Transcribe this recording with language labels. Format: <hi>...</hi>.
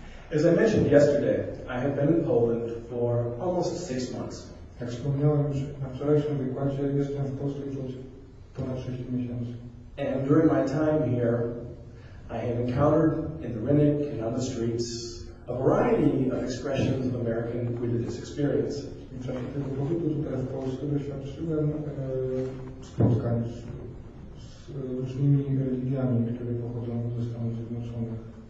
<en>As I mentioned yesterday, I have been in Poland for almost 6 months.</en> <pl>Jak wspomniałem już na wczorajszym wykładzie, jestem w Polsce już ponad 6 miesięcy.</pl> <en>And during my time here, I have encountered in the Rynek and on the streets a variety of expressions of American religious experience.</en> <pl>W czasie tego pobytu tutaj w Polsce doświadczyłem spotkań z różnymi religiami, które pochodzą ze Stanów Zjednoczonych.</pl>